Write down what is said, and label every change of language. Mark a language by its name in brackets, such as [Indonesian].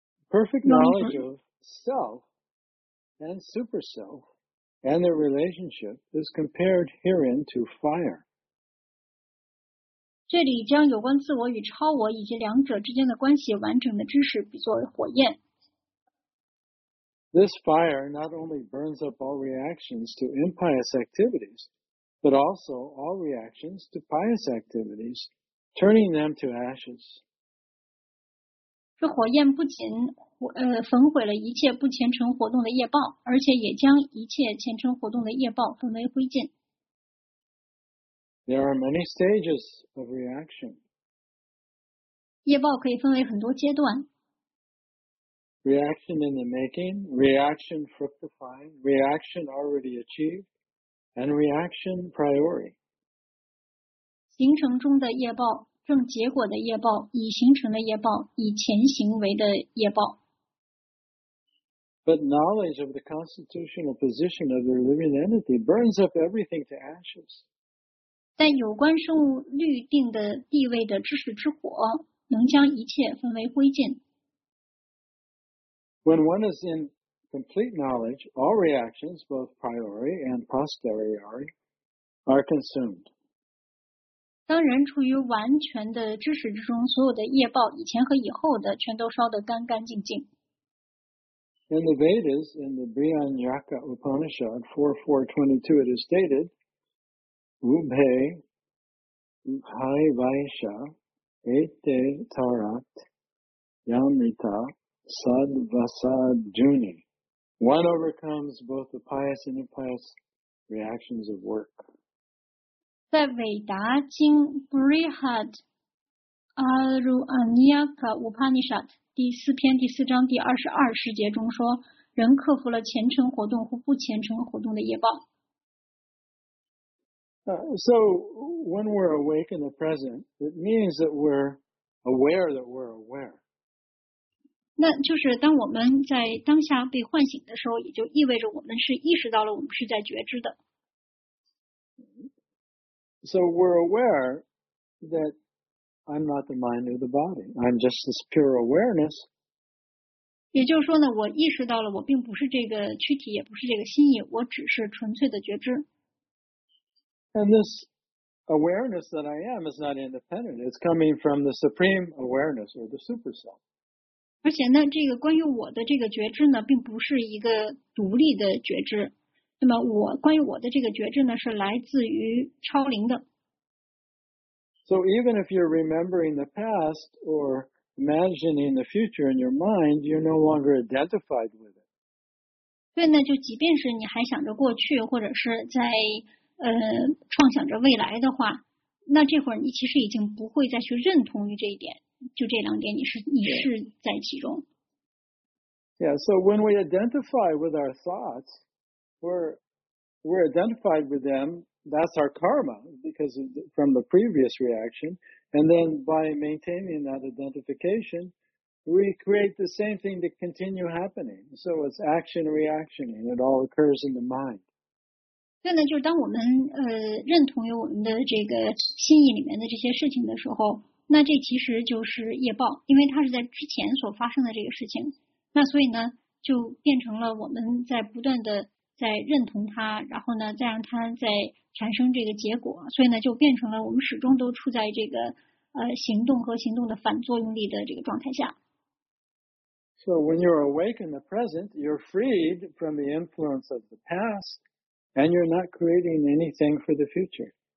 [English] Perfect knowledge of self and super self and their relationship is compared herein to fire. [Chinese] 这里将有关自我与超我以及两者之间的关系完整的知识比作火焰。 [English] This fire not only burns up all reactions to impious activities, but also all reactions to pious activities. Turning them to ashes. [Chinese] 这火焰不仅焚毁了一切不虔诚活动的业报，而且也将一切虔诚活动的业报焚为灰烬。 [English] There are many stages of reaction. [Chinese] 业报可以分为很多阶段。 [English] Reaction in the making, reaction fructifying, reaction already achieved, and reaction priori. [Chinese] 行程中的业报，正结果的业报，已形成的业报，以前行为的业报。 [English] But knowledge of the constitutional position of the living entity burns up everything to ashes. [Chinese] 在有关生物律定的地位的知识之火，能将一切分为灰烬。 [English] When one is in complete knowledge, all reactions, both priori and posteriori, are consumed. [Chinese] 当人处于完全的知识之中，所有的业报，以前和以后的，全都烧得干干净净。 [English] In the Vedas, in the Brihadaranyaka Upanishad 4.4.22, it is stated, [Sanskrit] Ubhe Haivaisha Ete Tarat Yamrita Sadvasadjuni. [English] One overcomes both the pious and impious reactions of work. [Chinese] 在伟达经 Brihadaranyaka Upanishad第四篇第四章第二十二十节中说，人克服了虔诚活动或不虔诚活动的业报。 [English] So when we're awake in the present, it means that we're aware that we're aware. [Chinese] 那就是当我们在当下被唤醒的时候，也就意味着我们是意识到了我们是在觉知的。 [English] So we're aware that. I'm not the mind or the body. I'm just this pure awareness. [Chinese] 也就是说呢，我意识到了我并不是这个躯体，也不是这个心意，我只是纯粹的觉知。 [English] And this awareness that I am is not independent. It's coming from the supreme awareness or the super self. [Chinese] 而且呢，这个关于我的这个觉知呢，并不是一个独立的觉知。那么我关于我的这个觉知呢，是来自于超灵的。 [English] So even if you're remembering the past or imagining the future in your mind, you're no longer identified with it. [Chinese] 对，那就即便是你还想着过去，或者是在创想着未来的话，那这会儿你其实已经不会再去认同于这一点，就这两点你是在其中。 [English] Yeah, so when we identify with our thoughts, we're identified with them. That's our karma, because from the previous reaction. And then by maintaining that identification, we create the same thing to continue happening. So it's action reaction, and it all occurs in the mind. [Chinese] 对呢，就是当我们认同于我们的这个心意里面的这些事情的时候，那这其实就是业报，因为它是在之前所发生的这个事情。那所以呢，就变成了我们在不断的在认同它，然后呢，再让它在产生这个结果，所以呢，就变成了我们始终都处在这个行动和行动的反作用力的这个状态下。 [English] So when you're awake in the present, you're freed from the influence of the past, and you're not creating anything for the future.